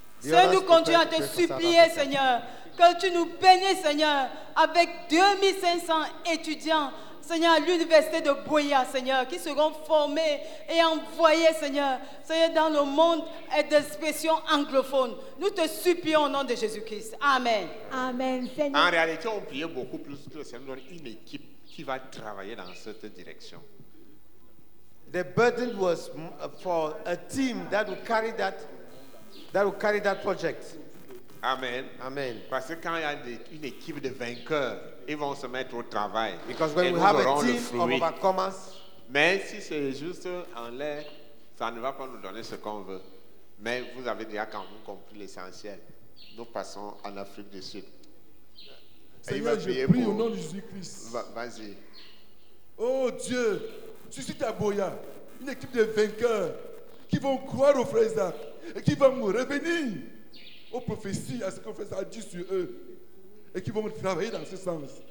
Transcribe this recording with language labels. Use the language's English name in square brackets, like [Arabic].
[French] Seigneur, nous continuons à te supplier, Seigneur, que tu nous bénisses, Seigneur, avec 2500 étudiants, Seigneur, à l'université de Boya, Seigneur, qui seront formés et envoyés, Seigneur, Seigneur, dans le monde et d'expression anglophone. Nous te supplions au nom de Jésus-Christ. Amen. Amen, Seigneur. En réalité, on priait beaucoup plus que le Seigneur, une équipe qui va travailler dans cette direction. [English] The burden was for a team that will carry that project. Amen. Amen. [French] Parce que quand il y a une équipe de vainqueurs, ils vont se mettre au travail. [English] Because when we have a team of overcomers. [French] Mais si c'est juste en l'air, ça ne va pas nous donner ce qu'on veut. Mais vous avez déjà quand même compris l'essentiel. Nous passons en Afrique du Sud. Seigneur, je prie au nom de Jésus-Christ. Vas-y. Oh Dieu, suscite à Boya une équipe de vainqueurs qui vont croire au frère Isaac et qui vont nous revenir aux prophéties, à ce que le frère a dit sur eux. Et qui vont travailler dans ce sens.